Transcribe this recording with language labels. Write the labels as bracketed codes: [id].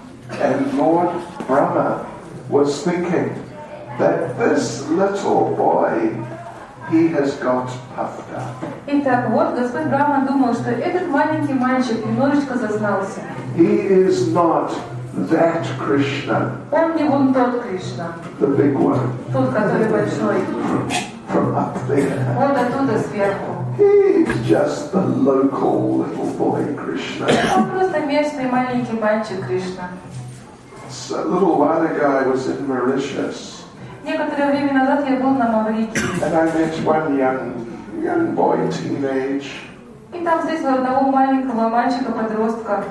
[en] And Lord Brahma was thinking that this little boy, he has got puffed up. [ru] Итак, вот Господь Брахма думал, что этот маленький мальчик немножечко зазнался. [en] He is not that Krishna. [ru] Он не вон тот Кришна. [en] The big one. [ru] Тот, который большой. [en] From up there. [ru] Он оттуда сверху. [en] He's just the local little boy Krishna. [ru] Он просто местный маленький мальчик Кришна. [en] So a little while ago I was in Mauritius. [ru] Некоторое время назад я был на Маврикии. [en] And I met one young boy, teenage. [ru] И там встретил одного маленького мальчика-подростка.